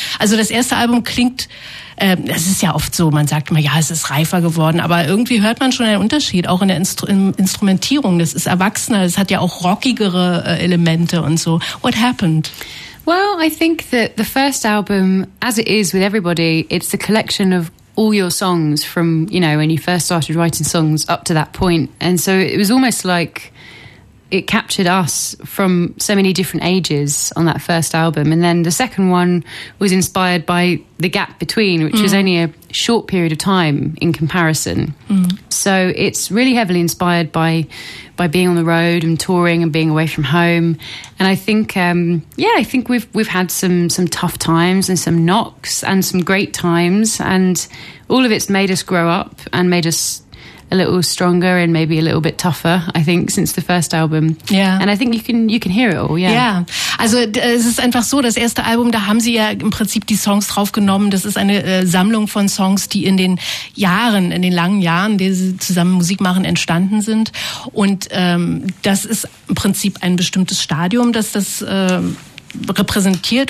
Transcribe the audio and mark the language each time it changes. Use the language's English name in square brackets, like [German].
[German] Also das erste Album klingt, das ist ja oft so, man sagt immer, ja, es ist reifer geworden, aber irgendwie hört man schon einen Unterschied, auch in der Instrumentierung. Das ist erwachsener, es hat ja auch rockigere Elemente und so. [English] What happened? Well, I think that the first album, as it is with everybody, it's the collection of all your songs from, you know, when you first started writing songs up to that point. And so it was almost like it captured us from so many different ages on that first album. And then the second one was inspired by the gap between, which was only a short period of time in comparison. So it's really heavily inspired by being on the road and touring and being away from home. And I think, I think we've had some tough times and some knocks and some great times. And all of it's made us grow up and made us a little stronger and maybe a little bit tougher, I think, since the first album. Yeah. And I think you can hear it all, yeah. Yeah. [German] Also es ist einfach so, das erste Album, da haben sie ja im Prinzip die Songs draufgenommen. Das ist eine Sammlung von Songs, die in den Jahren, in den langen Jahren, die sie zusammen Musik machen, entstanden sind. Und das ist im Prinzip ein bestimmtes Stadium, dass das repräsentiert.